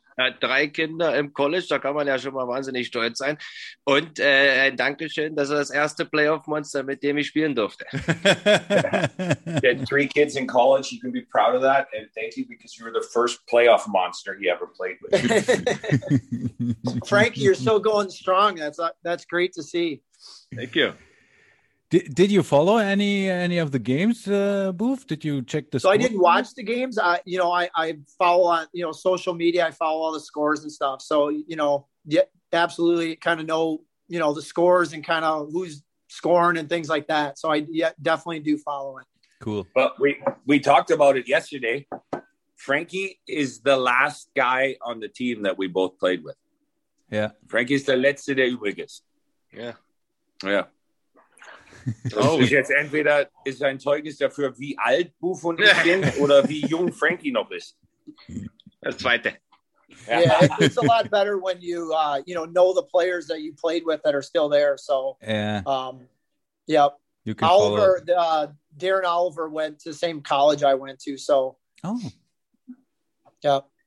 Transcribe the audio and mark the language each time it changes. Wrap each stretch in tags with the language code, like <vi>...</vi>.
<de>Er hat 3 Kinder im College, da kann man ja schon mal wahnsinnig stolz sein. Und ein Dankeschön, dass er das erste Playoff-Monster, mit dem ich spielen durfte.</de> <en>He had 3 kids in college, you can be proud of that. And thank you, because you were the first Playoff-Monster he ever played with. Frankie, you're still going strong. That's great to see. Thank you. Did you follow any of the games, Booth? Did you check the scores? So I didn't watch the games. I follow on, you know, social media. I follow all the scores and stuff. So, you know, yeah, absolutely kind of know, you know, the scores and kind of who's scoring and things like that. So I definitely do follow it. Cool. But we talked about it yesterday. Frankie is the last guy on the team that we both played with. Yeah.</en> <de>Frankie's the letzte der übriges.</de> <en>Yeah. Yeah.</en> <de>Oh, ist jetzt entweder ist ein Zeugnis dafür, wie alt Buff und ich sind oder wie jung Frankie noch ist. Das Zweite.</de> <en>Yeah, it's a lot better when you you know the players that you played with that are still there. So yeah, yep. You can Oliver, Darren Oliver went to the same college I went to. So oh, yep.</en>